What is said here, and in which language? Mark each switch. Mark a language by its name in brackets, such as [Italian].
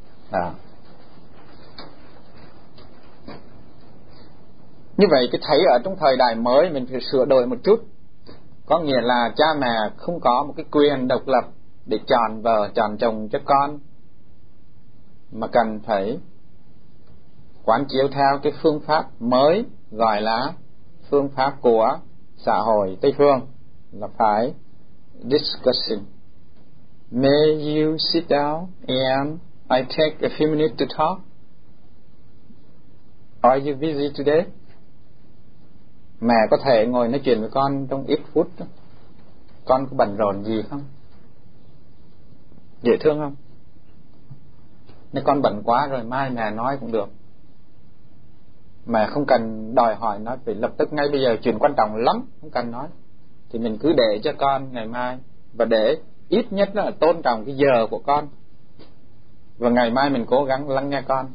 [Vietnamese] À, như vậy cái thấy ở trong thời đại mới mình phải sửa đổi một chút, có nghĩa là cha mẹ không có một cái quyền độc lập để chọn vợ chọn chồng cho con, mà cần phải quán chiếu theo cái phương pháp mới gọi là phương pháp của xã hội Tây phương, là phải discussing. [English] May you sit down and I take a few minutes to talk. Are you busy today? [Vietnamese] Mẹ có thể ngồi nói chuyện với con trong ít phút. Con có bận rộn gì không? Dễ thương không? Nếu con bận quá rồi mai mẹ nói cũng được. Mẹ không cần đòi hỏi nó phải lập tức ngay bây giờ, chuyện quan trọng lắm không cần nói, thì mình cứ để cho con ngày mai, và để ít nhất là tôn trọng cái giờ của con, và ngày mai mình cố gắng lắng nghe con.